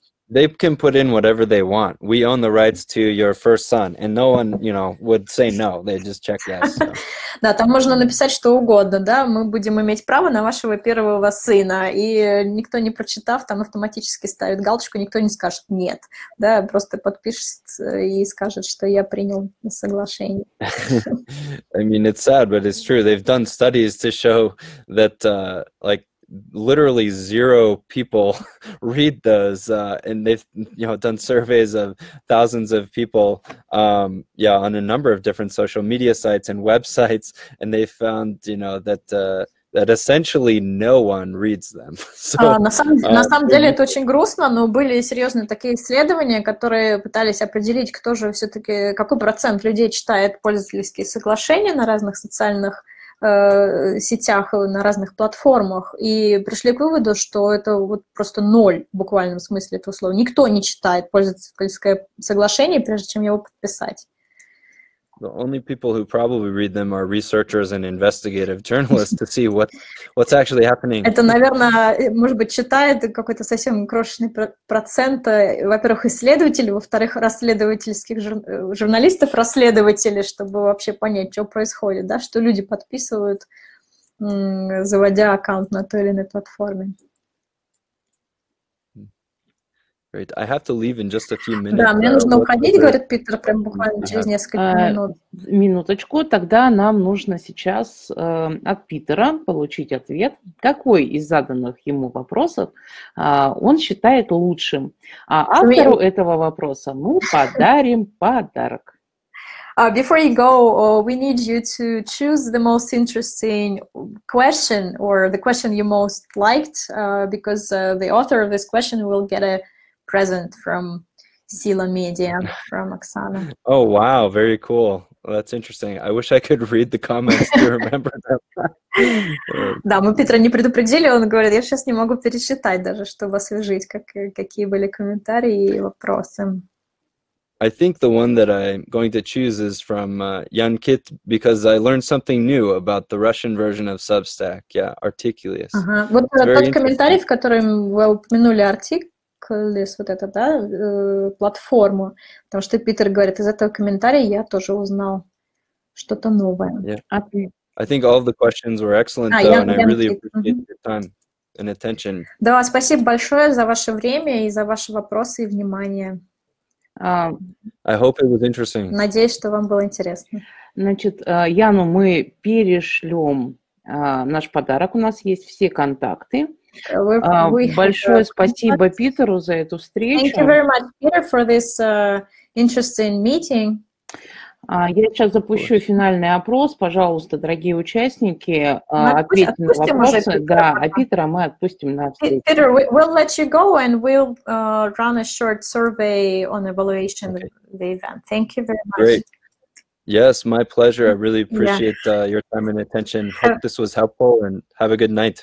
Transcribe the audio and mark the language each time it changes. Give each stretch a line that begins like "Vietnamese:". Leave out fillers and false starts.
English: They can put in whatever they want. We own the rights to your first son, and no one, you know, would say no. They just check yes.
Russian: Да, там можно написать что угодно, да. Мы будем иметь право на вашего первого сына, и никто не прочитав, там автоматически ставит галочку, никто не скажет нет, да, просто подпишет и скажет, что я принял соглашение.
English: I mean, it's sad, but it's true. They've done studies to show that, like. Literally zero people read those, and they've, you know, done surveys of thousands of people, on a number of different social media sites and websites, and they found, you know, that that essentially no one reads them. So,
Russian: на самом деле это очень грустно, но были серьезные такие исследования, которые пытались определить, кто же все-таки какой процент людей читает пользовательские соглашения на разных социальных сетях, на разных платформах, и пришли к выводу, что это вот просто ноль в буквальном смысле этого слова. Никто не читает пользовательское соглашение, прежде чем его подписать.
English: The only people who probably read them are researchers and investigative journalists to see what's actually happening.
Russian: Это, наверное, может быть, читает какой-то совсем крошечный процент, во-первых, исследователей, во-вторых, расследовательских журналистов-расследователей, чтобы вообще понять, что происходит, да, что люди подписывают, заводя аккаунт на той или иной платформе.
English: Great. I have to leave in just a few minutes.
Russian: Да, мне нужно уходить, говорит Питер, прям буквально через несколько минут. Минуточку, тогда нам нужно сейчас от Питера получить ответ, какой из заданных ему вопросов он считает лучшим. А автору этого вопроса мы подарим подарок.
English: Before you go, we need you to choose the most interesting question or the question you most liked, because the author of this question will get a present from Sila Media, from Oksana. Oh, wow, very cool. Well, that's interesting. I wish I could read the comments to remember them.
Russian: Да, мы Петра не предупредили, он говорит, я сейчас не могу пересчитать даже, чтобы освежить, какие были комментарии и вопросы.
English: I think the one that I'm going to choose is from Jan Kitt, because I learned something new about the Russian version of Substack, yeah, Articulius.
Russian: Вот тот комментарий, в котором вы упомянули артик, вот это, да, платформу, потому что Питер говорит, из этого комментария я тоже узнал что-то новое.
English: Yeah. I think all the questions were excellent, though, and I really appreciate your time and attention.
Russian: Да, спасибо большое за ваше время и за ваши вопросы и внимание.
English: I hope it was interesting.
Russian: Надеюсь, что вам было интересно. Значит, Яну мы перешлем наш подарок, у нас есть все контакты. Большое спасибо Питеру за эту встречу.
English: Thank you very much, Peter, for this interesting meeting.
Russian: Я сейчас запущу финальный опрос. Пожалуйста, дорогие участники, ответьте на вопросы. Да, а Питера мы отпустим на встречу.
English: Peter, we'll let you go and we'll run a short survey on evaluation of the event. Thank you very much. Great. Yes, my pleasure. I really appreciate your time and attention. Hope this was helpful and have a good night.